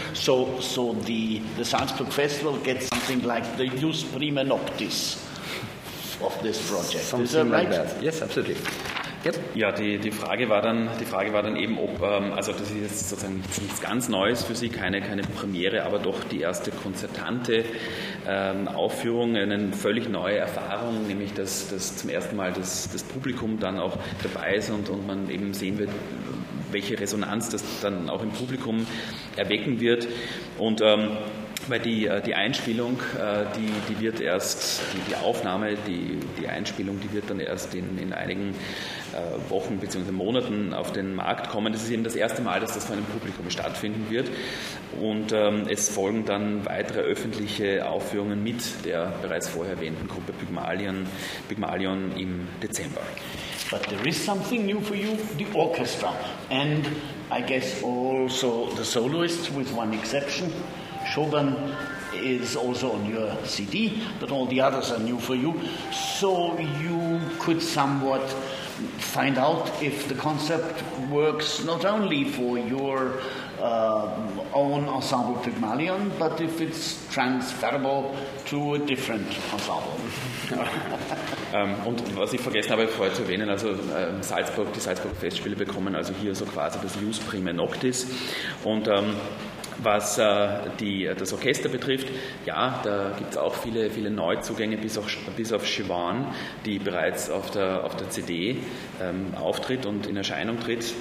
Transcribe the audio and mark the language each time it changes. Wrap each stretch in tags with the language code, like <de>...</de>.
<en>So the Salzburg Festival gets something like the Jus Prima Noctis of this project. Something is that like right? That. Yes, absolutely. Yep.</en> <de>Ja, die Frage war dann eben, ob, also das ist jetzt sozusagen nichts ganz Neues für Sie, keine Premiere, aber doch die erste konzertante Aufführung, eine völlig neue Erfahrung, nämlich dass zum ersten Mal das Publikum dann auch dabei ist und man eben sehen wird, welche Resonanz das dann auch im Publikum erwecken wird. Und weil die Einspielung, die wird erst, die Aufnahme, die Einspielung, die wird dann erst in einigen Wochen bzw. Monaten auf den Markt kommen. Das ist eben das erste Mal, dass das vor einem Publikum stattfinden wird. Und es folgen dann weitere öffentliche Aufführungen mit der bereits vorher erwähnten Gruppe Pygmalion im Dezember.</de> <en>But there is something new for you, the orchestra. And I guess also the soloists, with one exception. Chopin is also on your CD, but all the others are new for you. So you could somewhat find out if the concept works not only for your own ensemble Pygmalion, but if it's transferable to a different ensemble.</en> <de>und was ich vergessen habe vorher zu erwähnen, also die Salzburg Festspiele bekommen also hier so quasi das Jus Prima Noctis und was das Orchester betrifft, ja, da gibt es auch viele, viele Neuzugänge, bis auf Siobhan, die bereits auf der CD auftritt und in Erscheinung tritt.</de>